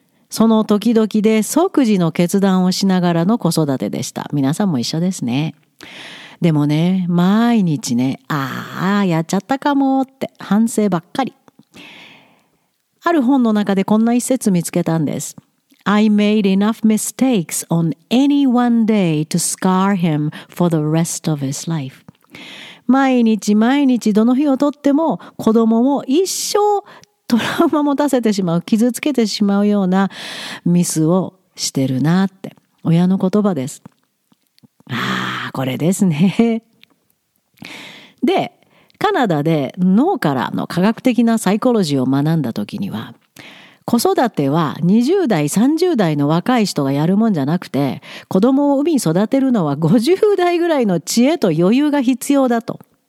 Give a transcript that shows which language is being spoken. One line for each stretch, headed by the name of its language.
Japanese: その時々で即時の決断をしながらの子育てでした。皆さんも一緒ですね。でもね、毎日ね、ああやっちゃったかもって反省ばっかり。ある本の中でこんな一節見つけたんです。
English: I made enough mistakes on any one day to scar him for the rest of his life.
Japanese: 毎日毎日どの日をとっても子供を一生トラウマ持たせてしまう、傷つけてしまうようなミスをしてるなって、親の言葉です。ああこれですね。でカナダで脳からの科学的なサイコロジーを学んだ時には、子育ては20代30代の若い人がやるもんじゃなくて、子供を産み育てるのは50代ぐらいの知恵と余裕が必要だと。